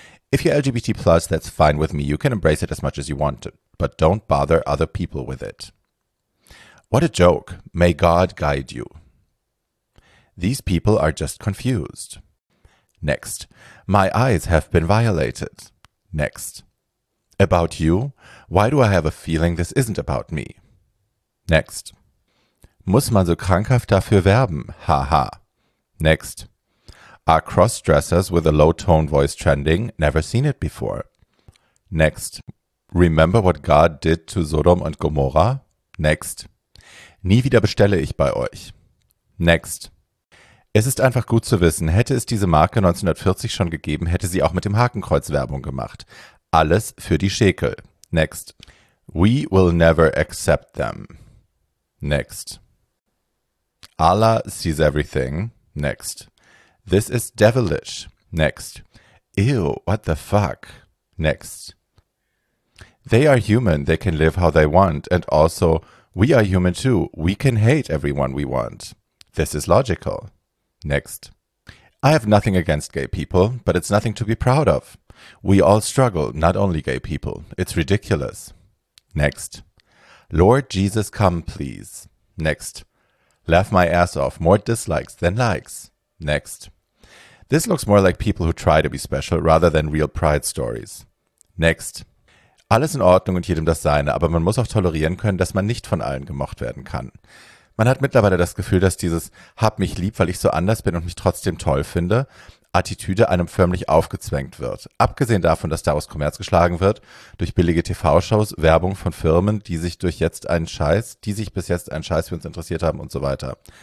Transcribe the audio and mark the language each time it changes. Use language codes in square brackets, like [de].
[en] If you're LGBT+, that's fine with me. You can embrace it as much as you want, but don't bother other people with it. What a joke. May God guide you. These people are just confused. Next. My eyes have been violated. Next. About you? Why do I have a feeling this isn't about me? Next. [de] Muss man so krankhaft dafür werben? [en] Haha. Next. Are cross-dressers with a low-tone voice trending? Never seen it before. Next. Remember what God did to Sodom and Gomorrah? Next. [de] Nie wieder bestelle ich bei euch. Next. Es ist einfach gut zu wissen, hätte es diese Marke 1940 schon gegeben, hätte sie auch mit dem Hakenkreuz Werbung gemacht. Alles für die Schäkel. Next. [en] We will never accept them. Next. Allah sees everything. Next. This is devilish. Next. Ew, what the fuck? Next. They are human. They can live how they want. And also, we are human too. We can hate everyone we want. This is logical. Next. I have nothing against gay people, but it's nothing to be proud of. We all struggle, not only gay people. It's ridiculous. Next. Lord Jesus, come, please. Next. Laugh my ass off. More dislikes than likes. Next. This looks more like people who try to be special rather than real pride stories. Next. [de] Alles in Ordnung und jedem das Seine, aber man muss auch tolerieren können, dass man nicht von allen gemocht werden kann. Man hat mittlerweile das Gefühl, dass dieses »Hab mich lieb, weil ich so anders bin und mich trotzdem toll finde« Attitüde einem förmlich aufgezwängt wird. Abgesehen davon, dass daraus Kommerz geschlagen wird, durch billige TV-Shows, Werbung von Firmen, die sich bis jetzt einen Scheiß für uns interessiert haben und so weiter.